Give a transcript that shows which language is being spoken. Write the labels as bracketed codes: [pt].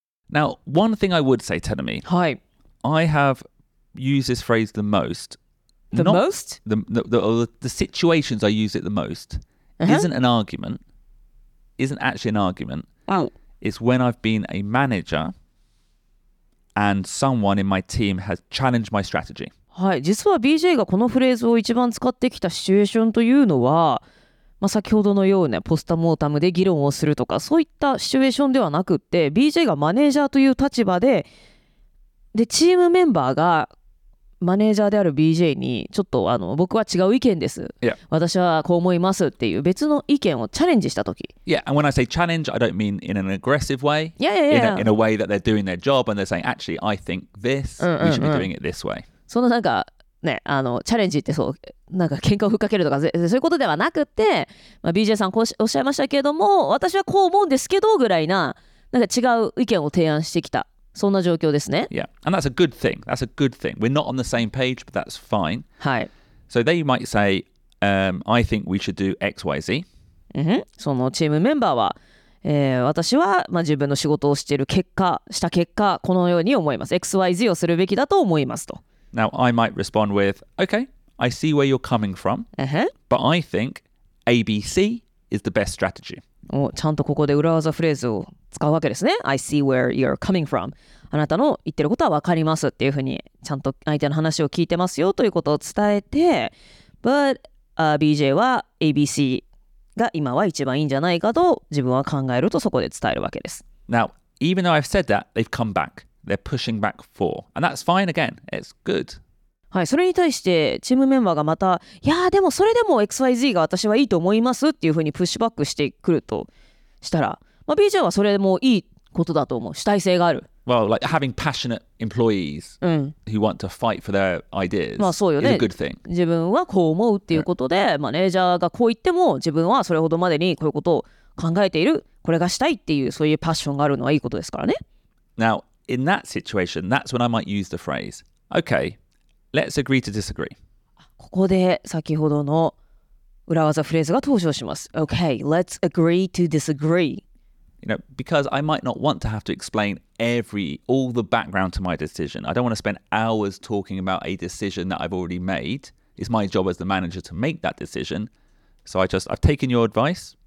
[en] Now one thing I would say, Tenami, [ja] はい、 [en] I have used this phrase the most. The not most? The situations I use it the mostUh-huh. isn't actually an argument. Oh. It's when I've been a manager and someone in my team has challenged my strategy. [ja] はい、実は BJ がこのフレーズを一番使ってきたシチュエーションというのは、まあ、先ほどのようなポストモータムで議論をするとか、そういったシチュエーションではなくって、BJ がマネージャーという立場で、で、チームメンバーがマネージャーである BJ にちょっとあの僕は違う意見です、 [en] yeah. [ja] 私はこう思いますっていう別の意見をチャレンジした時。 [en] Yeah, and when I say challenge, I don't mean in an aggressive way. Yeah, yeah, yeah. In a way that they're doing their job and they're saying, actually, I think this, we should be doing it this way. [ja] そのなんかね、あのチャレンジってそう、なんか喧嘩を吹っかけるとかそういうことではなくって、まあ、BJ さんこうおっしゃいましたけれども、私はこう思うんですけどぐらいな、なんか違う意見を提案してきた。そんな状況ですね。 [en] Yeah, and that's a good thing. That's a good thing. We're not on the same page, but that's fine. [ja] はい。 [en] So they might say, I think we should do X, Y, Z. Mm-hmm. [ja] そのチームメンバーは、私は、まあ、自分の仕事をしている結果、した結果、このように思います。 X, Y, Z をするべきだと思いますと。 [en] Now, I might respond with, okay, I see where you're coming from. Uh-huh. But I think A, B, C is the best strategy. [ja] お、ちゃんとここで裏技フレーズを使うわけですね。 [en] I see where you're coming from. [ja] あなたの言ってることは分かりますっていうふうに、ちゃんと相手の話を聞いてますよということを伝えて、 But、BJ は ABC が今は一番いいんじゃないかと自分は考えると、そこで伝えるわけです。 [en] Now, even though I've said that, they've come back. They're pushing back for. And that's fine again. It's good. はい、それに対してチームメンバーがまた、いやでもそれでも XYZ が私はいいと思いますっていうふうにプッシュバックしてくるとしたら、まあ、BJ はそれもいいことだと思う。主体性がある。 Well, like having passionate employees who want to fight for their ideas、 [ja] まあそうよね、 [en] is a good thing. [ja] 自分はこう思うっていうことで、マネージャーがこう言っても自分はそれほどまでにこういうことを考えている、これがしたいっていう、そういうパッションがあるのはいいことですからね。 [en] Now, in that situation, that's when I might use the phrase, okay,Let's agree to disagree. [ja] ここで先ほどの裏技フレーズが登場します。 [en] Okay, let's agree to disagree. You know, because I might not want to have to explain all the background to my decision. I don't want to spend hours talking about a decision that I've already made. It's my job as the manager to make that decision. So I've taken your advice.